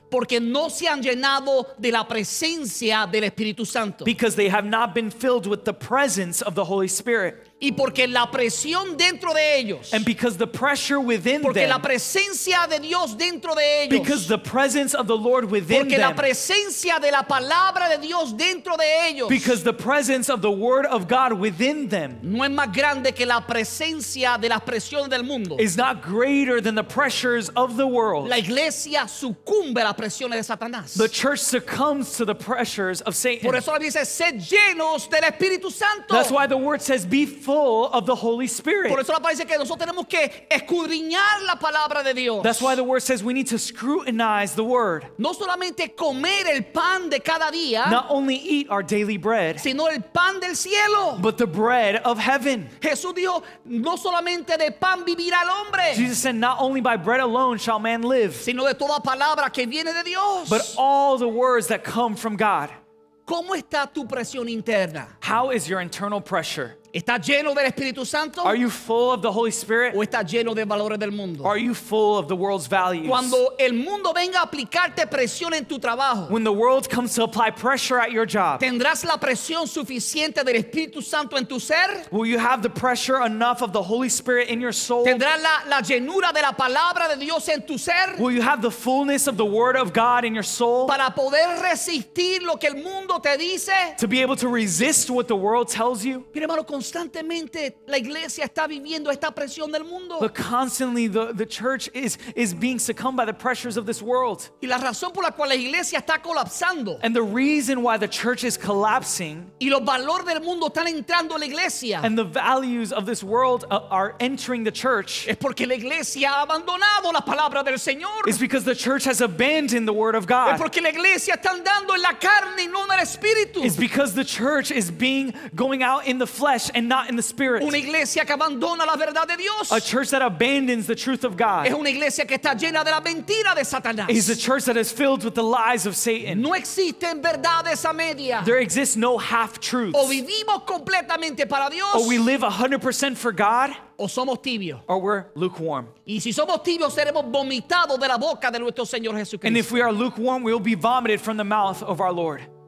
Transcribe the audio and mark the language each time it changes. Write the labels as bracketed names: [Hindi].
[Spanish] Porque no se han llenado de la presencia del Espíritu Santo. [English] Because they have not been filled with the presence of the Holy Spirit. [Spanish] Y porque la presión dentro de ellos, [English] and because the pressure within [Spanish] porque [English] them, [Spanish] la presencia de Dios dentro de ellos, [English] because the presence of the Lord within [Spanish] porque [English] them, [Spanish] la presencia de la palabra de Dios dentro de ellos, [English] because the presence of the word of God within them, [Spanish] no es más grande que la presencia de las presiones del mundo, [English] is not greater than the pressures of the world. [Spanish] La iglesia sucumbe a las presiones de Satanás. [English] The church succumbs to the pressures of Satan. [Spanish] Por eso la Biblia dice, sed llenos del Espíritu Santo. [English] That's why the word says be full of the Holy Spirit. [Spanish] Por eso la palabra dice que nosotros tenemos que escudriñar la palabra de Dios. [English] That's why the word says we need to scrutinize the word. [Spanish] No solamente comer el pan de cada día, [English] not only eat our daily bread, [Spanish] sino el pan del cielo, [English] but the bread of heaven. [Spanish] Jesús dijo, no solamente de pan vivirá el hombre. [English] Jesus said, not only by bread alone shall man live, [Spanish] sino de toda palabra que viene de Dios, [English] but all the words that come from God. [Spanish] ¿Cómo está tu presión interna? [English] How is your internal pressure? [Spanish] ¿Estás lleno del Espíritu Santo? [English] Are you full of the Holy Spirit? [Spanish] ¿O estás lleno de valores del mundo? [English] Are you full of the world's values? [Spanish] Cuando el mundo venga a aplicarte presión en tu trabajo, [English] when the world comes to apply pressure at your job, [Spanish] ¿tendrás la presión suficiente del Espíritu Santo en tu ser? [English] Will you have the pressure enough of the Holy Spirit in your soul? [Spanish] ¿Tendrás la llenura de la palabra de Dios en tu ser? [English] Will you have the fullness of the word of God in your soul? [Spanish] ¿Para poder resistir lo que el mundo te dice? [English] To be able to resist what the world tells you? [Spanish] Constantemente la iglesia está viviendo esta presión del mundo. [English] But constantly the church is being succumbed by the pressures of this world. [Spanish] Y la razón por la cual la iglesia está colapsando, [English] and the reason why the church is collapsing, [Spanish] y los valores del mundo están entrando a la iglesia, [English] and the values of this world are entering the church, [Spanish] es porque la iglesia ha abandonado la palabra del Señor. [English] It's because the church has abandoned the word of God. [Spanish] Es porque la iglesia está andando en la carne y no en el espíritu. [English] It's because the church is being going out in the flesh and not in the spirit. [Spanish] Una iglesia que abandona la verdad de Dios. [English] A church that abandons the truth of God. [Spanish] Es una iglesia que está llena de la mentira de Satanás. [English] It's a church that is filled with the lies of Satan. [Spanish] No existen verdades a media. [English] There exists no half truths. [Spanish] O vivimos completamente para Dios. [English] Or we live 100% for God. [Spanish] O somos tibios. [English] Or we're lukewarm. [Spanish] Y si somos tibios, seremos vomitados de la boca de nuestro Señor Jesucristo. [English] And if we are lukewarm, we will be vomited from the mouth of our Lord.